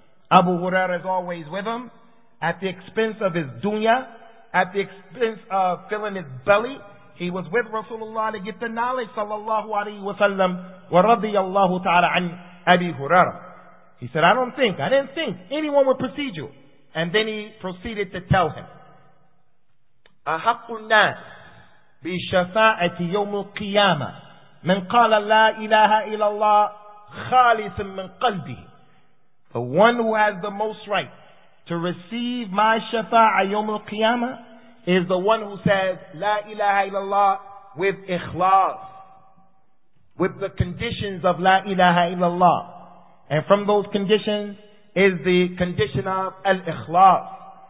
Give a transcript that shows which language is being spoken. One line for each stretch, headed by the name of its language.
English: Abu Huraira is always with him, at the expense of his dunya, at the expense of filling his belly. He was with Rasulullah to get the knowledge, sallallahu alayhi wa sallam, wa radiyallahu ta'ala an Abi Hurairah. He said, I didn't think anyone would precede you. And then he proceeded to tell him,
Arabic: أَحَقُّ النَّاسِ بِشَفَاءَةِ يَوْمُ الْقِيَامَةِ مَنْ قَالَ لَا إِلَهَ إِلَى اللَّهِ خَالِصٌ مِّنْ قَلْبِهِ.
English: The one who has the most right to receive my shafa'a yawm al-qiyamah is the one who says, La ilaha illallah, with ikhlas, with the conditions of La ilaha illallah. And from those conditions is the condition of al-ikhlas.